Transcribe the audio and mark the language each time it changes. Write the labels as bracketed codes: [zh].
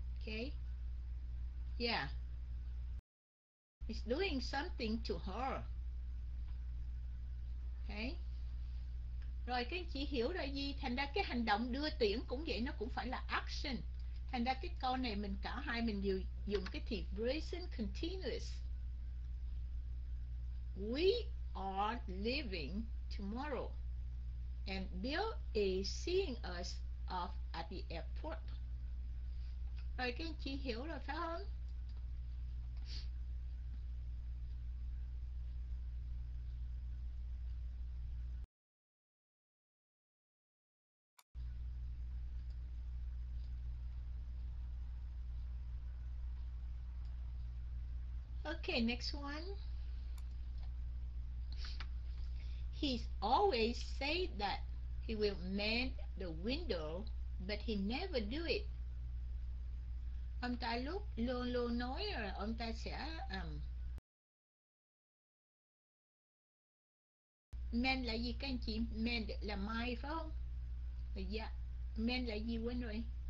[en] Okay. Yeah. He's doing something to her. Okay. [vi] Rồi các anh chị hiểu rồi gì? Thành ra cái hành động đưa tiễn cũng vậy, nó cũng phải là action. Thành ra cái câu này mình cả hai mình đều dùng cái thì present continuous. [en] We are living tomorrow and Bill is seeing us off at the airport. [vi] Rồi các anh chị hiểu rồi phải không? [en] Okay, next one. He's always said that he will mend the window, but he never do it. [vi] Ông ta luôn nói là ông ta sẽ mend là gì các anh chị? Mend là mai phải không? Dạ. Mend là gì quên rồi?